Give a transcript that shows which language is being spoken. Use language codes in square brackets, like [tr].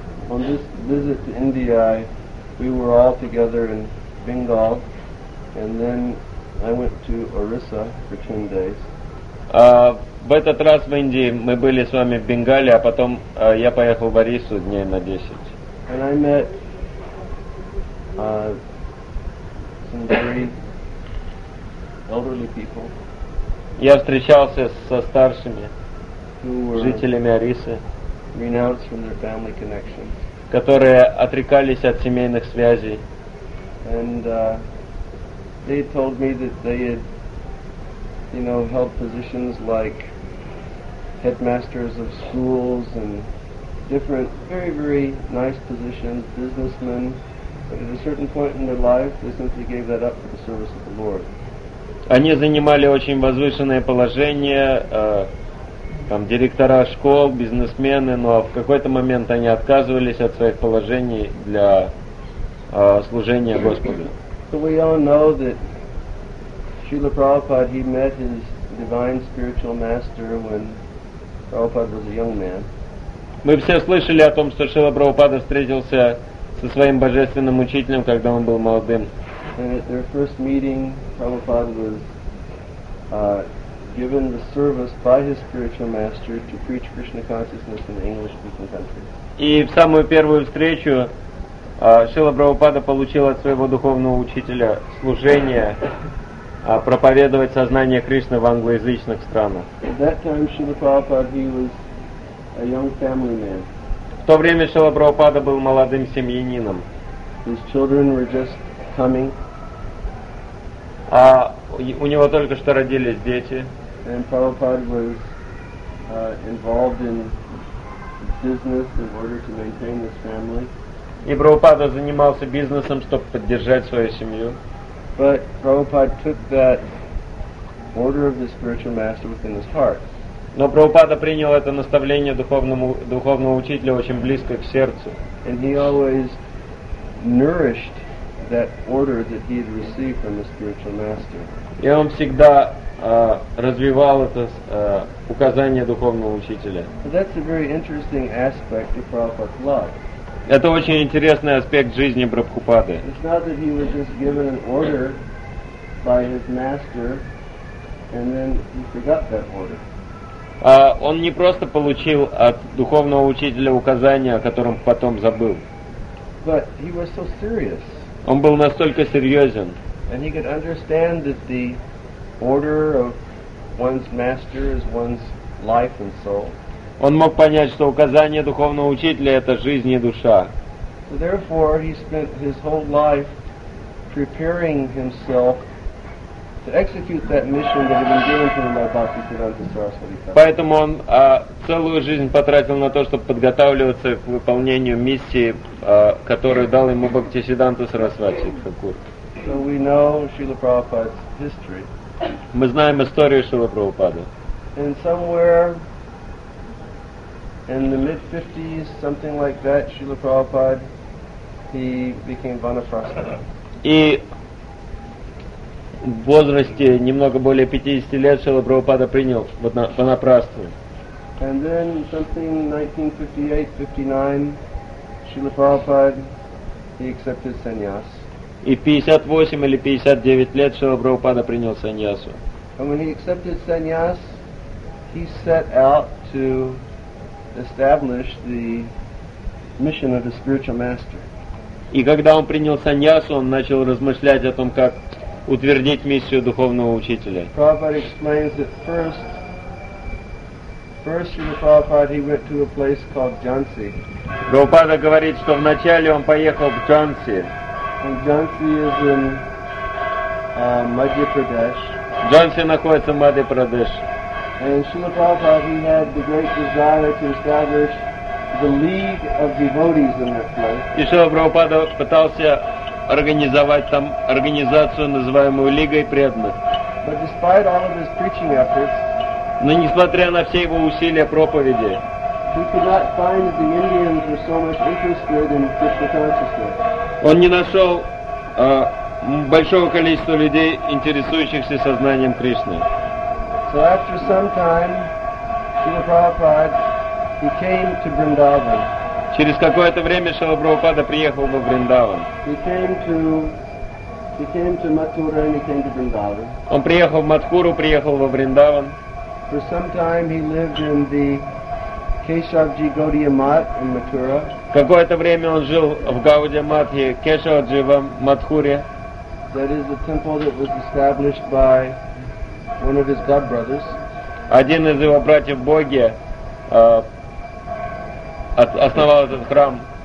[en] On this visit to India, we were all together in Bengal, and then I went to Orissa for 10 days. [ru] В этот раз в Индии мы были с вами в Бенгале, а потом я поехал в Ориссу дней на 10. [en] And I met some very elderly people. [ru] Я встречался со старшими жителями Ориссы, [en] renounced from their family connections, [ru] которые отрекались от семейных связей. [en] And they told me that they had, you know, held positions like headmasters of schools and different very, very nice positions, businessmen. But at a certain point in their life, they simply gave that up for the service of the Lord. [ru] Они занимали очень возвышенное положение, там директора школ, бизнесмены, но в какой-то момент они отказывались от своих положений для служения Господу. [en] So we all know that Srila Prabhupada, he met his divine spiritual master when Prabhupada was a young man. [ru] Мы все слышали о том, что Шрила Прабхупада встретился со своим божественным учителем, когда он был молодым. [en] And at their first meeting, Prabhupada was given the service by his spiritual master to preach Krishna consciousness in the English-speaking country. [ru] И в самую первую встречу Шрила Прабхупада получил от своего духовного учителя служение проповедовать сознание Кришны в англоязычных странах. В то время Шрила Прабхупада был молодым семьянином. [en] His children were just coming. [ru] А у него только что родились дети. [en] And Prabhupada was involved in business in order to maintain his family. [ru] И Прабхупада занимался бизнесом, чтобы поддержать свою семью. [en] But Prabhupada took that order of the spiritual master within his heart. [ru] Но Прабхупада принял это наставление духовного учителя очень близко к сердцу. [en] And he always nourished that order that he had received from the spiritual master. [ru] И он всегда развивал это указание духовного учителя. [en] But that's a very interesting aspect of Prabhupada's life. [ru] Это очень интересный аспект жизни Прабхупады. [en] It's not that he was just given an order by his master and then he forgot that order. [ru] Он не просто получил от духовного учителя указание, о котором потом забыл. [en] But he was so serious. [ru] Он был настолько серьезен. [en] And he could understand that the order of one's master is one's life and soul. [ru] Он мог понять, что указание духовного учителя — это жизнь и душа. [en] So therefore, he spent his whole life preparing himself to execute that mission that had been given to him by Bhaktisiddhanta Saraswati. [ru] Поэтому он целую жизнь потратил на то, чтобы подготавливаться к выполнению миссии, которую дал ему Бхактисиддханта Сарасвати Такур. [en] So we know Srila Prabhupada's history. [ru] Мы знаем историю Шрилы Прабхупады. [en] And somewhere in the mid 50s, something like that, Srila Prabhupada, he became vanaprastha. [ru] И в возрасте немного более 50 лет Шрила Прабхупада принял ванапрастху. [en] And then something 1958-59, Srila Prabhupada, he accepted sannyas. [ru] И 58 или 59 лет Шрила Прабхупада принял саньясу. [en] And when he accepted sannyas, he set out to establish the mission of the spiritual master. [ru] И когда он принял саньясу, он начал размышлять о том, как утвердить миссию духовного учителя. [en] Prabhupada explains that first in the Prabhupada he went to a place called Jhansi. [ru] Prabhupada говорит, что вначале он поехал в Джанси. [en] And Jhansi is in Madhya Pradesh. [ru] Jhansi находится в Мадхья Прадеш. [en] And Srila Prabhupada, he had the great desire to establish the League of Devotees in that place. [ru] И Шрила Прабхупада пытался организовать там организацию, называемую Лигой преданных. [en] But despite all of his preaching efforts, [ru] но несмотря на все его усилия проповеди, [en] he could not find that the Indians were so much interested in Krishna consciousness. [ru] Он не нашел большого количества людей, интересующихся сознанием Кришны. [en] So after some time, Srila Prabhupada, he came to Vrindavan. [ru] Через какое-то время Шрила Прабхупада приехал во Вриндаван. [en] He came to Mathura and he came to Vrindavan. [ru] Он приехал в Матхуру, приехал во Вриндаван. [en] For some time he lived in the Keshavji Gaudiya Math in Mathura. [ru] Какое-то время он жил в Гаудия Матхе, Кешавджи в Матхуре. [en] That is the temple that was established by one of his god brothers. [ru] Один из его братьев Боги основал этот храм.